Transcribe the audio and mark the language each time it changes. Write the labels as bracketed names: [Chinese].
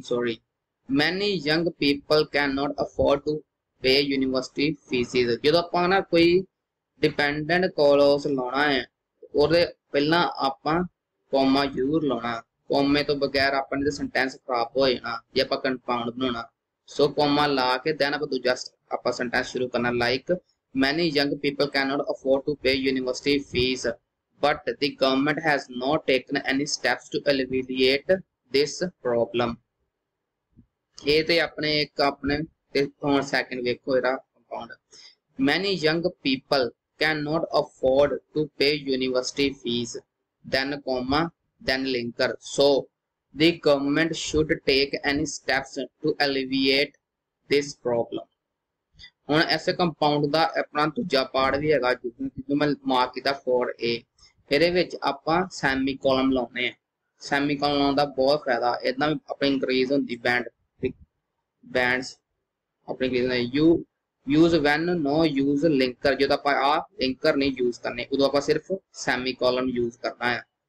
[English] Sorry, many young people can not afford to pay university fees. [Punjabi] ਜਦੋਂ ਆਪਾਂ ਨਾ ਕੋਈ ਡਿਪੈਂਡੈਂਟ ਕਲੋਜ਼ ਲਾਉਣਾ ਹੈ ਉਹਦੇ ਪਹਿਲਾਂ ਆਪਾਂ ਕੋਮਾ ਜ਼ਰੂਰ ਲਾਉਣਾ, ਕੋਮੇ ਤੋਂ ਬਗੈਰ ਆਪਣੇ ਤੇ ਸੈਂਟੈਂਸ ਖਰਾਬ ਹੋ ਜਾਣਾ ਜੇ ਆਪਾਂ ਕੰਪਾਊਂਡ ਬਣਾਉਣਾ। ਸੋ ਕੋਮਾ ਲਾ ਕੇ ਦੈਨ ਆਪਾਂ ਦੂਜਾ ਆਪਾਂ ਸੈਂਟੈਂਸ ਸ਼ੁਰੂ ਕਰਨਾ, like [English] Many young people cannot afford to pay university fees, but the government has not taken any steps to alleviate this problem. [Punjabi] ਇਹ ਤੇ ਆਪਣੇ ਇੱਕ ਆਪਣੇ ਤੇ ਹੁਣ ਸੈਕਿੰਡ ਵੇਖੋ ਇਹਦਾ compound. [English] Many young people cannot afford to pay university fees, then comma, then linker. So, the government should take any steps to alleviate this problem. [Punjabi] ਹੁਣ ਐਸੇ ਕੰਪਾਊਂਡ ਦਾ ਆਪਣਾ ਦੂਜਾ ਪਾਰਟ ਵੀ ਹੈਗਾ ਜਿਹਨੂੰ ਮੈਂ ਮਾਰਕ ਕੀਤਾ ਫੋਰ ਏ। ਇਹਦੇ ਵਿੱਚ ਆਪਾਂ ਸੈਮੀ ਕੋਲਮ ਲਾਉਂਦੇ ਹਾਂ, ਸੈਮੀ ਕੋਲਮ ਲਾਉਣ ਦਾ ਬਹੁਤ ਫਾਇਦਾ, ਇਹਦਾ ਵੀ ਆਪਣੀ ਇਨਕਰੀਜ਼ ਹੁੰਦੀ ਬੈਂਡ ਬੈਂਡਸ ਆਪਣੀ ਇਨਕਰੀਜ਼ ਹੁੰਦੀ। [English] you use when no use linker, [Punjabi] ਜਦੋਂ ਆਪਾਂ ਆਹ ਲਿੰਕਰ ਨਹੀਂ ਯੂਜ਼ ਕਰਨੇ ਉਦੋਂ ਆਪਾਂ ਸਿਰਫ ਸੈਮੀ ਕੋਲਮ ਯੂਜ਼ ਕਰਨਾ ਹੈ।